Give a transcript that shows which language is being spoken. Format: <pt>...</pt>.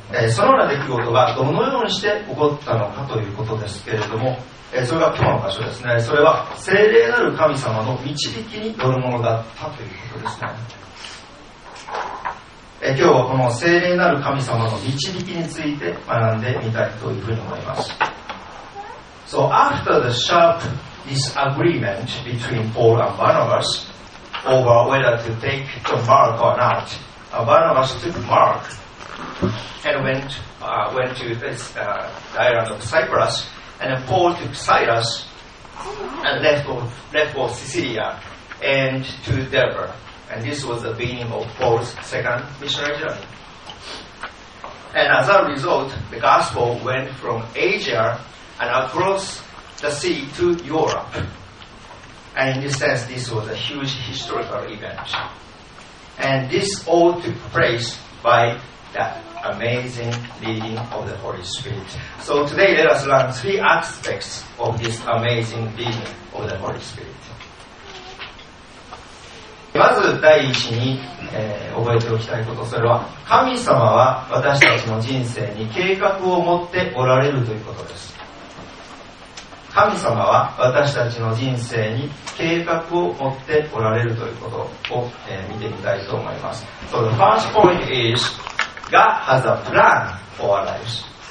<ja>そのような出来事がどのようにして起こったのかということですけれども、それが今日の場所ですね。それは聖霊なる神様の導きによるものだったということですね。今日はこの聖霊なる神様の導きについて学んでみたいというふうに思います。</ja> <en>So after the sharp disagreement between Paul and Barnabas over whether to take John Mark or not, Barnabas took MarkAnd went to this island of Cyprus, and Paul took Silas and left for Sicilia and to Derbe. And this was the beginning of Paul's second missionary journey. And as a result, the gospel went from Asia and across the sea to Europe. And in this sense, this was a huge historical event. And this all took place by the amazing leading of the Holy Spirit. So today let us learn three aspects of this amazing leading of the Holy Spirit.</en> <ja>まず第一に、覚えておきたいこと、それは神様は私たちの人生に計画を持っておられるということです。神様は私たちの人生に計画を持っておられるということを、見てみたいと思います。</ja> <en>So the first point isGod has a plan for our lives.</en>